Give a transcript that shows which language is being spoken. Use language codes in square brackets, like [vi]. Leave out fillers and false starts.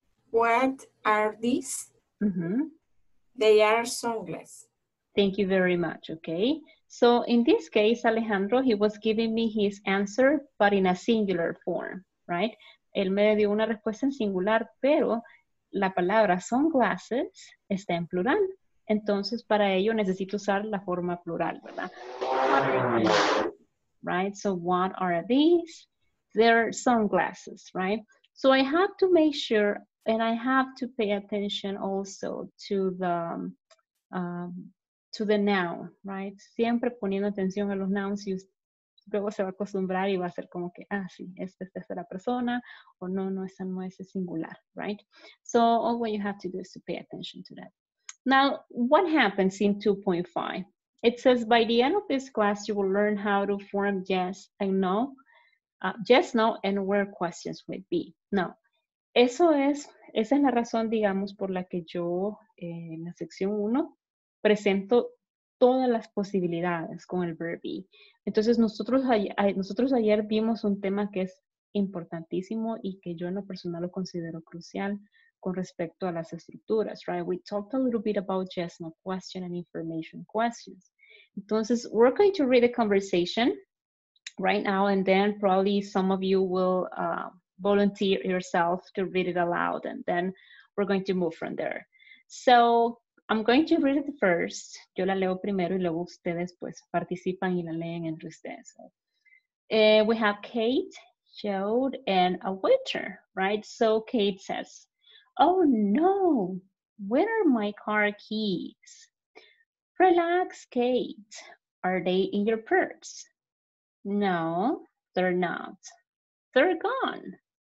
[en] What are these? Mm-hmm. They are sunglasses. Thank you very much, okay. So in this case, Alejandro, he was giving me his answer, but in a singular form, right? [es] Él me dio una respuesta en singular, pero la palabra sunglasses está en plural. Entonces, para ello necesito usar la forma plural, ¿verdad? [en] Right, so what are these? They're sunglasses, right? So I have to make sure, and I have to pay attention also to the noun, right? [es] Siempre poniendo atención a los nouns y luego se va a acostumbrar y va a ser como que, ah, sí, esta es la tercera persona, o no, no, esa no es singular, right? [en] So all what you have to do is to pay attention to that. Now, what happens in 2.5? It says, by the end of this class, you will learn how to form yes and no, yes, no, and where questions would be. [es] Now, esa es la razón, digamos, por la que yo, en la sección 1, presento todas las posibilidades con el verb be. Entonces, nosotros ayer vimos un tema que es importantísimo y que yo en lo personal lo considero crucial con respecto a las estructuras, right? [en] We talked a little bit about yes, no question and information questions. [es] Entonces, [en] we're going to read the conversation right now and then probably some of you will volunteer yourself to read it aloud and then we're going to move from there. So, I'm going to read it first. [es] Yo la leo primero y luego ustedes pues participan y la leen entre ustedes. [en] We have Kate, Joe, and a waiter, right? So Kate says, oh no, where are my car keys? Relax, Kate. Are they in your purse? No, they're not. They're gone.